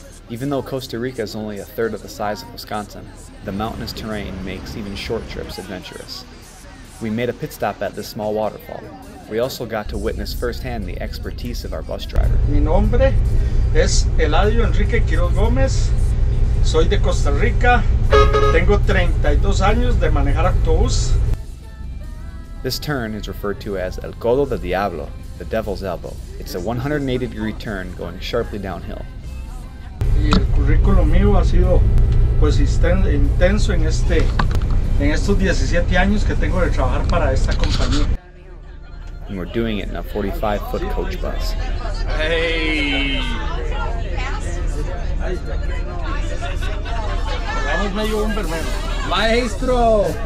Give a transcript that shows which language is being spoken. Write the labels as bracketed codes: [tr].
[en] Even though Costa Rica is only a third of the size of Wisconsin, the mountainous terrain makes even short trips adventurous. We made a pit stop at this small waterfall. We also got to witness firsthand the expertise of our bus driver. [es] Mi nombre es Eladio Enrique Quiroz Gómez. Soy de Costa Rica. Tengo 32 años de manejar autobús. [en] This turn is referred to as El Codo del Diablo, the Devil's Elbow. It's a 180 degree turn going sharply downhill. [es] Y el currículum mío ha sido pues intenso en este en estos 17 años que tengo de trabajar para esta compañía. [en] And we're doing it in a 45-foot coach bus. Hey! [es] Maestro!